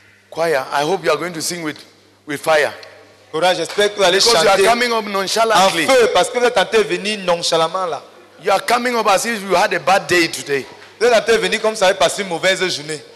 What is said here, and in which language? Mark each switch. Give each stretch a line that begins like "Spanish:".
English: Fire. I hope you are going to sing with fire.
French: Courage, j'espère que vous allez
English: because
French: chanter.
English: Because you are coming up nonchalantly.
French: En feu, parce que vous êtes en train de venir nonchalamment là.
English: You are coming up as if you had a bad day today.
French: Vous êtes en train de venir comme ça avait passé une mauvaise journée.